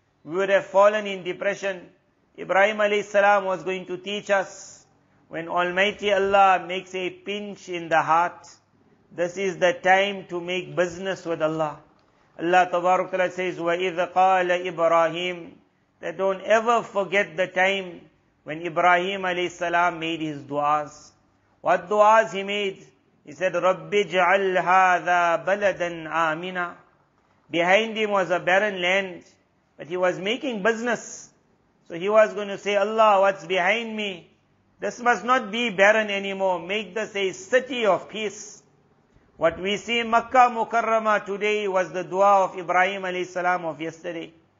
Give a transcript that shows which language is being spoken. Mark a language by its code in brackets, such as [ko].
[en] We would have fallen in depression. Ibrahim alayhi salam was going to teach us, when Almighty Allah makes a pinch in the heart, this is the time to make business with Allah. Allah tabarakala says, [ar] وَإِذَ قَالَ إِبْرَاهِيمُ, [en] that don't ever forget the time when Ibrahim alayhi salam made his du'as. What du'as he made? He said, [ar] رَبِّ جَعَلْ هَذَا بَلَدًا آمِنًا. [en] Behind him was a barren land, but he was making business. So he was going to say, Allah, what's behind me? This must not be barren anymore. Make this a city of peace. What we see in Makkah Mukarramah today was the dua of Ibrahim alayhi salam of yesterday.